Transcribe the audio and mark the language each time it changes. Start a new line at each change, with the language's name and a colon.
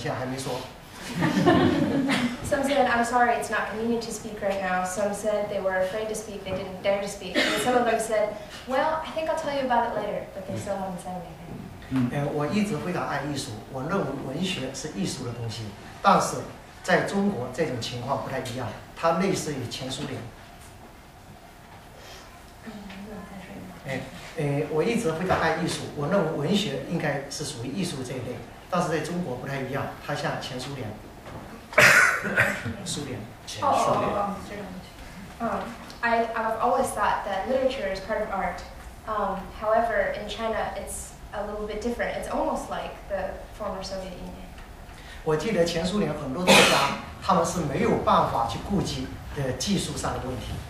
Chinese: 有的说不方便说，有的说不敢说，有的说我以后再说，好多年了，这个以后再说这个人现在还没说。
English: Some said, I'm sorry, it's not convenient to speak right now. Some said they were afraid to speak, they didn't dare to speak. And some of them said, well, I think I'll tell you about it later, but they still haven't said anything.
Chinese: 我一直非常爱艺术，我认为文学是艺术的东西，但是在中国这种情况不太一样，它类似于前苏联。我一直非常爱艺术，我认为文学应该是属于艺术这一类，但是在中国不太一样，它像前苏联，苏联，前苏联。
English: Oh, I've always thought that literature is part of art. However, in China, it's a little bit different. It's almost like the former Soviet Union.
Chinese: 我记得前苏联很多作家，他们是没有办法去顾及的技术上的问题。